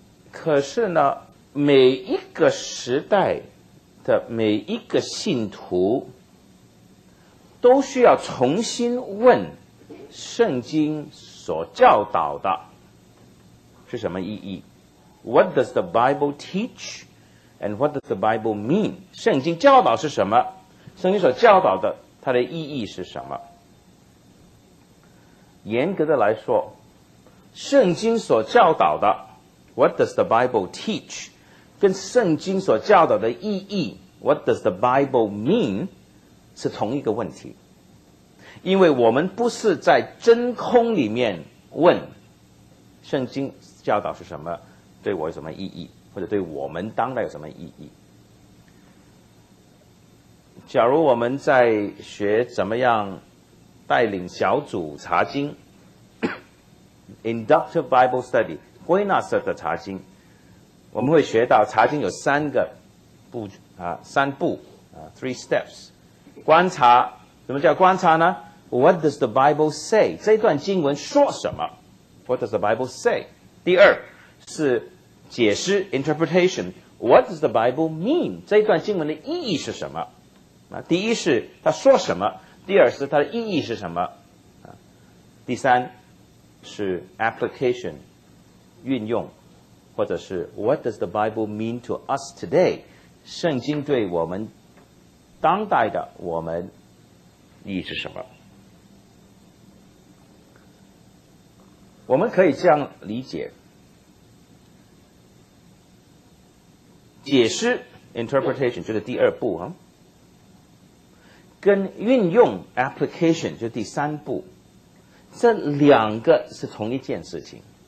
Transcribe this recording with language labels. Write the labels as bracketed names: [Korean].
[Chinese] 可是呢，每一个时代的每一个信徒都需要重新问圣经所教导的是什么意义。 [English] What does the Bible teach and what does the Bible mean？ [Chinese] 圣经教导是什么，圣经所教导的它的意义是什么。严格的来说，圣经所教导的 [English] What does the Bible teach [Chinese] 跟圣经所教导的意义 [English] What does the Bible mean [Chinese] 是同一个问题。因为我们不是在真空里面问圣经教导是什么，对我有什么意义，或者对我们当代有什么意义。假如我们在学怎么样带领小组查经 [English] inductive Bible study [Chinese] 归纳式的查经，我们会学到查经有三个步啊，三步啊 ， [English] three steps， [Chinese] 观察，什么叫观察呢 ？ [English] What does the Bible say？ [Chinese] 这段经文说什么 [English] ？What does the Bible say？ [Chinese] 第二是解释 ，interpretation。 [English] What does the Bible mean？ [Chinese] 这段经文的意义是什么？啊，第一是他说什么，第二是它的意义是什么？啊，第三是 application， 运用。 [English] 或者是 What does the Bible mean to us today? [Chinese] 圣经对我们当代的我们意义是什么？我们可以这样理解：解释 interpretation 就是第二步啊，跟运用 application 就是第三步，这两个是同一件事情。